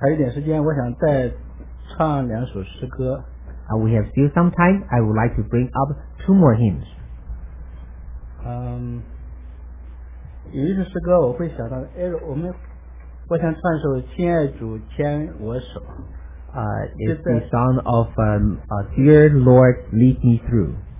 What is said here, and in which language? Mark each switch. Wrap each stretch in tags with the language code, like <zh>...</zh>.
<zh>时间，我想再唱两首诗歌。</zh> <en>We have still some time. I would like to bring up two more hymns.</en> <zh>有一首诗歌我会想到，我想唱一首《亲爱主牵我手》。</zh> <en>It's the song of Dear Lord, Lead Me Through.</en>